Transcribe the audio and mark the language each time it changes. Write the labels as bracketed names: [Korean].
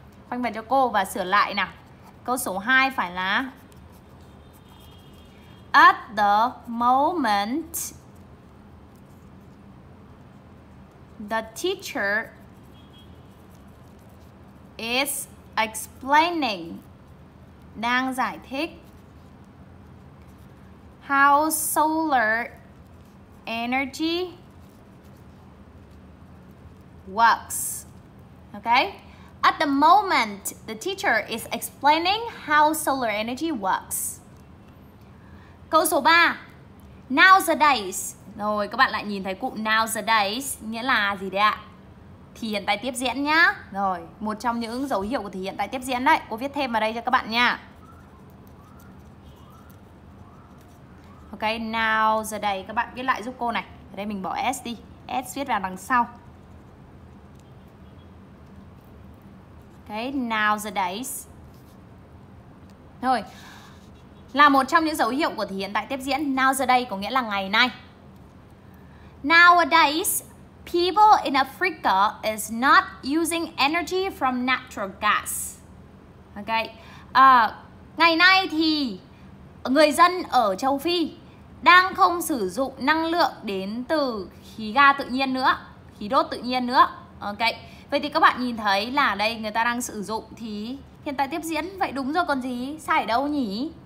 [Vietnamese] Khoanh vào cho cô và sửa lại nào. Câu số 2 phải là [English] at the moment the teacher is explaining, [Vietnamese] đang giải thích [English] how solar energy works. Okay? At the moment, the teacher is explaining how solar energy works. [Vietnamese] Câu số 3. Nowadays. Rồi, các bạn lại nhìn thấy cụm nowadays nghĩa là gì đấy ạ? Thì hiện tại tiếp diễn nhá. Rồi, một trong những dấu hiệu của thì hiện tại tiếp diễn đấy. Cô viết thêm vào đây cho các bạn nha. Ok, now giờ đây các bạn viết lại giúp cô này. Ở đây mình bỏ S đi. S viết vào đằng sau. Ok, now giờ đây. Rồi. Là một trong những dấu hiệu của thì hiện tại tiếp diễn. Now giờ đây có nghĩa là ngày nay. [English] Nowadays, people in Africa is not using energy from natural gas. Ok. [Vietnamese] Ngày nay thì người dân ở châu Phi đang không sử dụng năng lượng đến từ khí ga tự nhiên nữa, khí đốt tự nhiên nữa. Ok. Vậy thì các bạn nhìn thấy là đây người ta đang sử dụng thì hiện tại tiếp diễn. Vậy đúng rồi, còn gì? Sai ở đâu nhỉ?